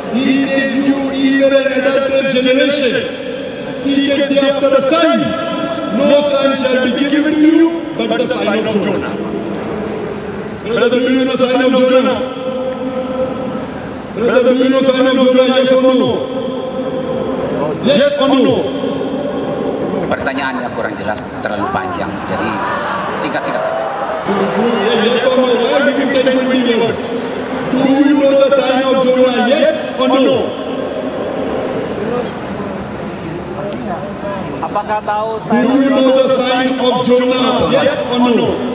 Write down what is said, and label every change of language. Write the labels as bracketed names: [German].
[English] He said, you evil and adulterous generation, seek the after the sun. No sun shall be given to you, but the sign of Jonah. Brother, do you know the sign of Jonah? Brother, do you know the sign of Jonah, yes or no? Yes or no? [Indonesian] Pertanyaannya kurang jelas, terlalu panjang, jadi singkat-singkat. [English] Do you know the sign of Jonah, yes or no? Do you know the sign of Jonah, yes or no?